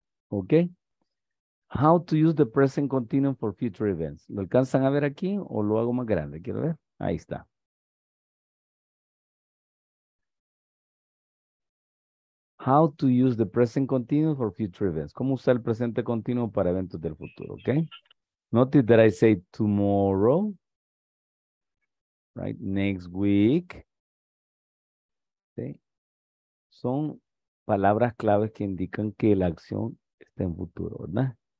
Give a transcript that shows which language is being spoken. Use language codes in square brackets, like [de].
[en] Okay, how to use the present continuum for future events. [es] ¿Lo alcanzan a ver aquí o lo hago más grande? Quiero ver. Ahí está. [en] How to use the present continuum for future events. [es] ¿Cómo usar el presente continuo para eventos del futuro? [en] Okay. Notice that I say tomorrow, right? Next week. Okay. [es] Son palabras claves que indican que la acción en futuro, ¿verdad?